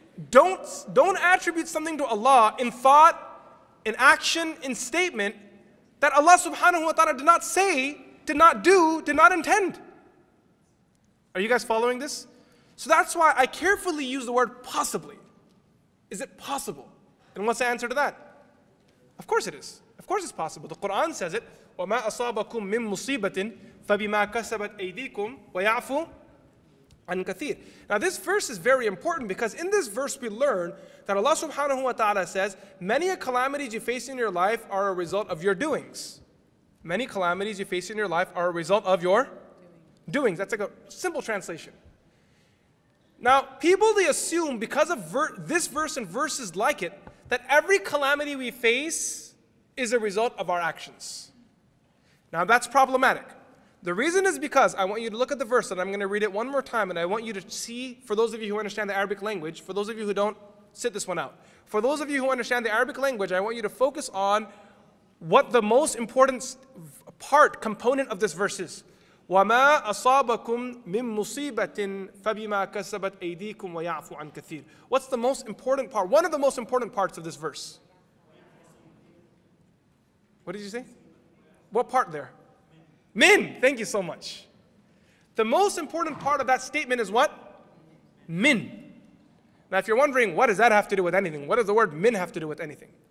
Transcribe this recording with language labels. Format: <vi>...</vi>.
<en>Don't attribute something to Allah in thought, in action, in statement that Allah subhanahu wa ta'ala did not say, did not do, did not intend. Are you guys following this? So that's why I carefully use the word possibly. Is it possible? And what's the answer to that? Of course it is. Of course it's possible. The Quran says it,</en> <ar>وَمَا أَصَابَكُم مِّن مُصِيبَةٍ فَبِمَا كَسَبَتْ أَيْدِيكُمْ وَيَعْفُوا Kathir.</ar> <en>Now this verse is very important because in this verse we learn that Allah subhanahu wa ta'ala says many a calamities you face in your life are a result of your doings. Many calamities you face in your life are a result of your doings. That's like a simple translation. Now people, they assume because of this verse and verses like it that every calamity we face is a result of our actions. Now that's problematic. The reason is because I want you to look at the verse and I'm going to read it one more time, and I want you to see, for those of you who understand the Arabic language, for those of you who don't, sit this one out. For those of you who understand the Arabic language, I want you to focus on what the most important part, component of this verse is.</en> <ar>وَمَا أَصَابَكُم مِّن مُصِيبَةٍ فَبِمَا كَسَبَتْ أَيْدِيكُمْ وَيَعْفُ عَنْ كَثِيرٍ</ar> <en>What's the most important part? One of the most important parts of this verse. What did you say? What part there? Min, thank you so much. The most important part of that statement is what? Min. Now if you're wondering, what does that have to do with anything? What does the word min have to do with anything?</en>